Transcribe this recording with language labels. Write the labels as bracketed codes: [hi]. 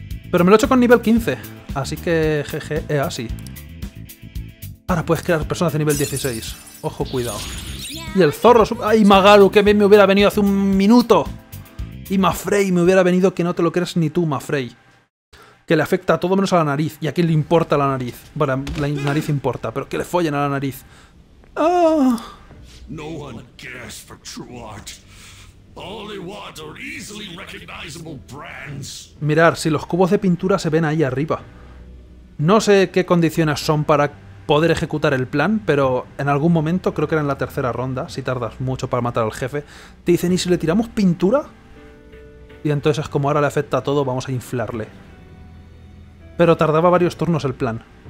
[es] Pero me lo he hecho con nivel 15, así que jeje, es así. Ahora puedes crear personas de nivel 16. Ojo, cuidado. Y el zorro... ¡Ay, Magaru! ¡Qué bien me hubiera venido hace un minuto! Y Mafrey me hubiera venido, que no te lo crees ni tú, Mafrey. Que le afecta a todo menos a la nariz. ¿Y a quién le importa la nariz? Bueno, la nariz importa, pero que le follen a la nariz. [en] ¡Ah! No one cares for true art. All they want are easily recognizable brands. [es] Mirad, si los cubos de pintura se ven ahí arriba. No sé qué condiciones son para poder ejecutar el plan, pero en algún momento, creo que era en la tercera ronda, si tardas mucho para matar al jefe, te dicen, ¿y si le tiramos pintura? Y entonces es como ahora le afecta a todo, vamos a inflarle. Pero tardaba varios turnos el plan.